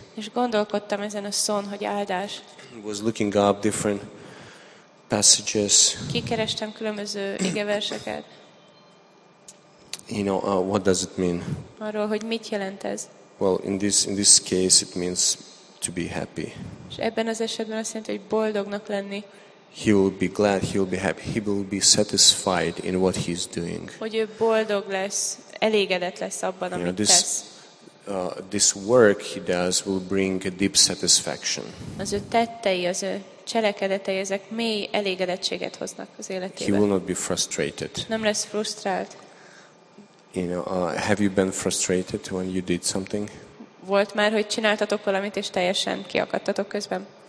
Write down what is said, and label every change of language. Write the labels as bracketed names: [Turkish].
[Hungarian] És gondolkodtam ezen a szón, hogy áldás. [English] Was looking up different passages. [Hungarian] Kikerestem különböző igeverseket. [English] You know, what does it mean? [Hungarian] Arról, hogy mit jelent ez? [English] Well, in this case, it means to be happy. [Hungarian] És ebben az esetben azt jelenti, hogy boldognak lenni. [English] He will be glad, he will be happy, he will be satisfied in what he's doing. [Hungarian] Hogy ő boldog lesz, elégedett lesz abban, amit tesz. [English] This work he does will bring a deep satisfaction. [Hungarian] Az ő tettei, az ő cselekedetei, ezek mély elégedettséget hoznak az életében. [English] He will not be frustrated. [Hungarian] Nem lesz frusztrált. [English] You know, have you been frustrated when you did something? [Hungarian] Volt már, hogy csináltatok valamit és teljesen kiakadtatok közben?